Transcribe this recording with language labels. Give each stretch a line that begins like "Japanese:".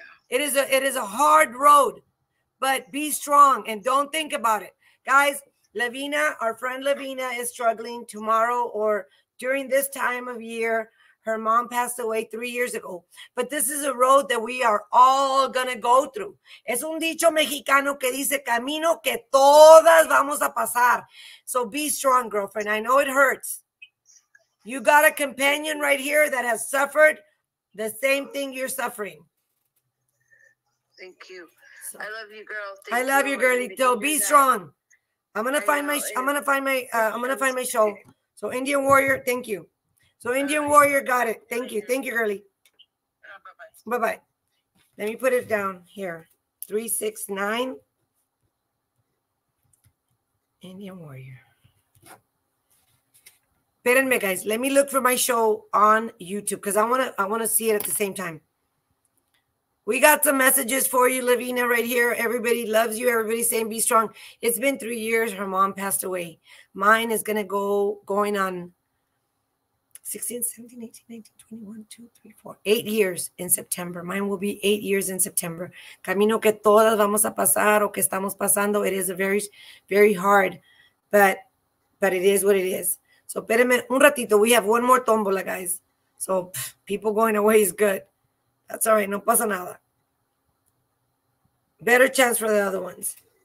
English: It is a hard road, but be strong and don't think about it. Guys, Lavina, our friend Lavina is struggling tomorrow or during this time of year. Her mom passed away 3 years ago, but this is a road that we are all going to go through.
Spanish: Es un dicho mexicano que dice camino que todas vamos a pasar.
English: So be strong, girlfriend. I know it hurts. You got a companion right here that has suffered the same thing you're suffering. Thank you. I love you, girl. Thank you. I love you, girlie. Be strong. I'm gonna find my show. So Indian Warrior, thank you. So Indian Warrior got it. Thank you. Thank you, girlie. Bye-bye. Bye-bye. Let me put it down here. 369. Indian Warrior.
Spanish: Espérenme, guys.
English: Let me look for my show on YouTube because I wanna see it at the same time. We got some messages for you, Lavina, right here. Everybody loves you. Everybody's saying be strong. It's been 3 years. Her mom passed away. Mine is going to go going on 16, 17, 18, 19, 21, 2, 3, 4, 8 years in September. Mine will be 8 years in September.
Spanish: Camino que todas vamos a pasar o que estamos pasando.
English: It is a very, very hard, but it is what it is. So,
Spanish: espérame un ratito.
English: We have one more tómbola, guys. So, people going away is good. That's all right.
Spanish: No pasa nada.
English: Better chance for the other ones.